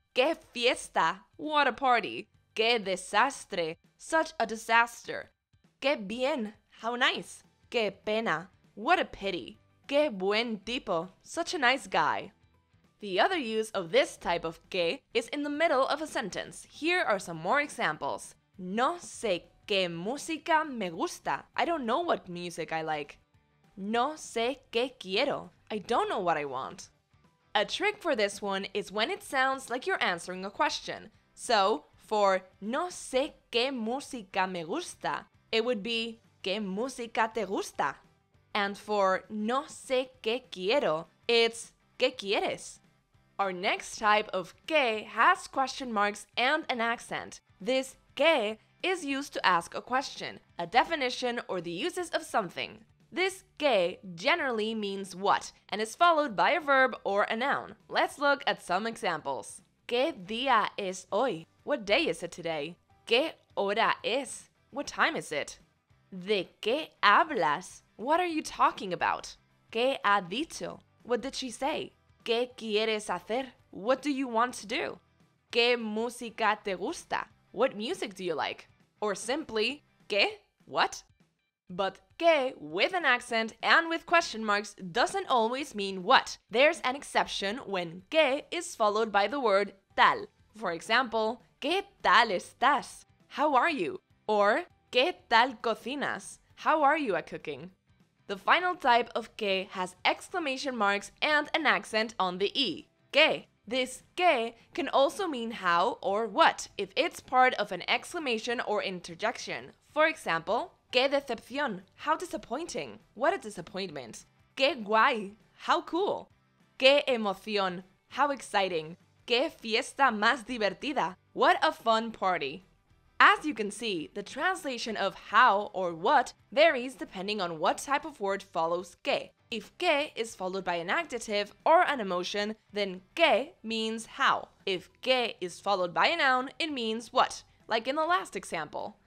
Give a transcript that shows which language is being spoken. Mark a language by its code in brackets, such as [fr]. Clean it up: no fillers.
[es] Qué fiesta, [en] what a party. [es] Qué desastre, [en] such a disaster. [es] Qué bien, [en] how nice. [es] Qué pena, [en] what a pity. [es] Qué buen tipo, [en] such a nice guy. The other use of this type of que is in the middle of a sentence. Here are some more examples. [es] No sé qué música me gusta. [en] I don't know what music I like. [es] No sé qué quiero. [en] I don't know what I want. A trick for this one is when it sounds like you're answering a question. So, for [es] no sé qué música me gusta, [en] it would be [es] ¿qué música te gusta? [en] And for [es] no sé qué quiero, [en] it's [es] ¿qué quieres? [en] Our next type of que has question marks and an accent. This que is used to ask a question, a definition, or the uses of something. This que generally means what, and is followed by a verb or a noun. Let's look at some examples. [es] ¿Qué día es hoy? [en] What day is it today? [es] ¿Qué hora es? [en] What time is it? [es] ¿De qué hablas? [en] What are you talking about? [es] ¿Qué ha dicho? [en] What did she say? [es] ¿Qué quieres hacer? [en] What do you want to do? [es] ¿Qué música te gusta? [en] What music do you like? Or simply, ¿qué? What? But ¿qué? With an accent and with question marks doesn't always mean what. There's an exception when ¿qué? Is followed by the word tal. For example, [es] ¿qué tal estás? [en] How are you? Or [es] ¿qué tal cocinas? [en] How are you at cooking? The final type of que has exclamation marks and an accent on the E. Que. This que can also mean how or what if it's part of an exclamation or interjection. For example, [es] qué decepción, [en] how disappointing, what a disappointment. [es] Qué guay, [en] how cool. [es] Qué emoción, [en] how exciting. [es] Qué fiesta más divertida, [en] what a fun party. As you can see, the translation of how or what varies depending on what type of word follows que. If que is followed by an adjective or an emotion, then que means how. If que is followed by a noun, it means what, like in the last example.